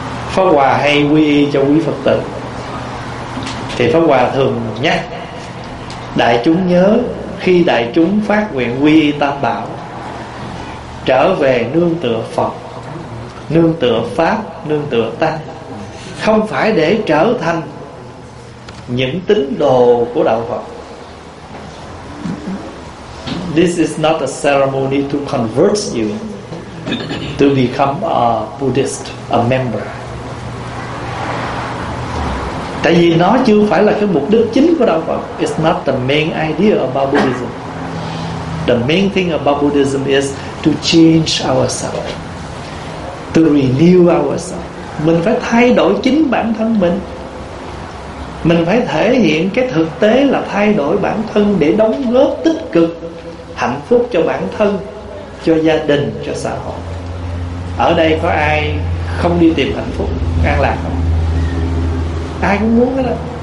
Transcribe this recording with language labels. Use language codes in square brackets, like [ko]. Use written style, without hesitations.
[vi] Pháp Hòa hay quy y cho quý Phật tử, thì Pháp Hòa thường nhắc đại chúng nhớ, khi đại chúng phát nguyện quy y Tam Bảo, trở về nương tựa Phật, nương tựa Pháp, nương tựa Tăng, không phải để trở thành những tín đồ của đạo Phật. [en] This is not a ceremony to convert you to become a Buddhist, a member. [vi] Tại vì nó chưa phải là cái mục đích chính của đạo Phật. [en] It's not the main idea about Buddhism. The main thing about Buddhism is to change ourselves, to renew ourselves. [vi] Mình phải thay đổi chính bản thân mình. Mình phải thể hiện cái thực tế là thay đổi bản thân để đóng góp tích cực, hạnh phúc cho bản thân, cho gia đình, cho xã hội. Ở đây có ai không đi tìm hạnh phúc, an lạc không? Ai cũng muốn hết.